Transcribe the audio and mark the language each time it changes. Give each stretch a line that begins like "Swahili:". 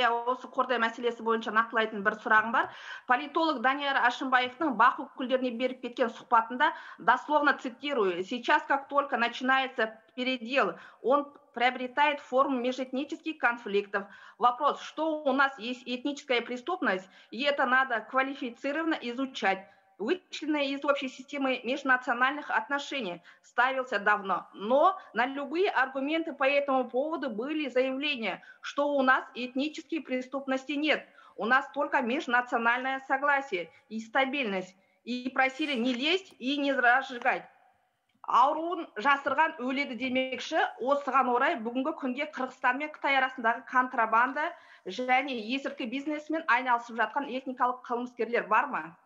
Kazakh: Осы Қордай мәселесі бойынша нақтылайтын бір сұрағым бар. Политолог Данияр Ашымбаевтың бақ өкілдеріне беріп кеткен сұхбатында,
Russian: дословно цитирую, сейчас как только начинается передел, он приобретает форму межэтнических конфликтов. Вопрос, что у нас есть этническая преступность, и это надо квалифицированно изучать. Вычленная из общей системы межнациональных отношений ставился давно, но на любые аргументы по этому поводу были заявления, что у нас этнической преступности нет, у нас только межнациональное согласие и стабильность, и просили не лезть и не разжигать.
Kazakh: Ауруын жасырған өледі демекші, осыған орай бүгінгі күнге Қырғызстан мен Қытай арасындағы контрабанда және есірткі бизнесмен айналысып жатқан этникалық қылмыскерлер бар ма?